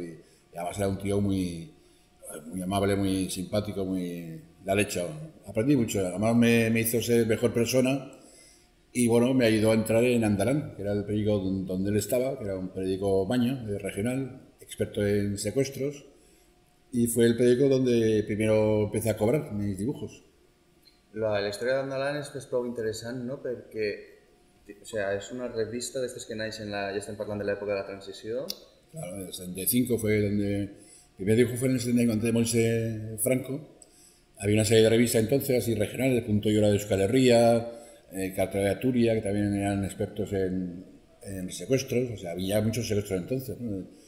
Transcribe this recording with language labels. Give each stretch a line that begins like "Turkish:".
Spanish: Y además era un tío muy, muy amable, muy simpático, muy la leche. Aprendí mucho. Además me hizo ser mejor persona. Y bueno, me ayudó a entrar en Andalán, que era el periódico donde él estaba, que era un periódico maño, regional, experto en secuestros. Y fue el periódico donde primero empecé a cobrar mis dibujos.
Catalan: La història d'Andalán és prou interessant, no?, perquè,
Spanish: o sea,
Catalan: és una revista d'aquestes que naix ja estem parlant de l'època de la transició.
Spanish: Claro, el 75 fue donde el primer dibujo fue en el 75, antes de morirse Franco. Había una serie de revistas entonces, así regionales, el Punto y Hora de Euskal Herria, Cartera de Aturia, que también eran expertos en secuestros, o sea, había muchos secuestros entonces, ¿no?